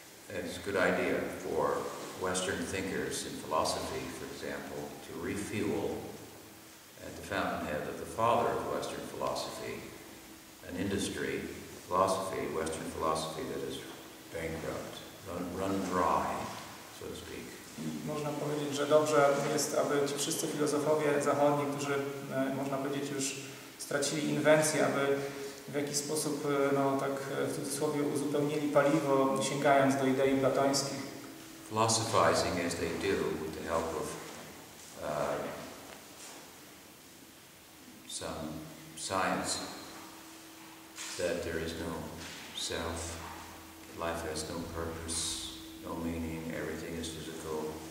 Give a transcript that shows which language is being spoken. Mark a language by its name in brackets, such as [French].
[English] It's a good idea for Western thinkers in philosophy, for example, to refuel at the fountainhead of the father of Western philosophy, an industry, philosophy, Western philosophy that is bankrupt, run dry, so to speak. [Polish] Można powiedzieć, że dobrze jest, aby ci wszyscy filozofowie zachodni, którzy, można powiedzieć, już stracili inwencję, aby w jakiś sposób, no tak w cudzysłowie, uzupełnili paliwo, sięgając do idei platońskich. [English] Philosophizing as they do with the help of some science that there is no self, life has no purpose, no meaning, everything is physical.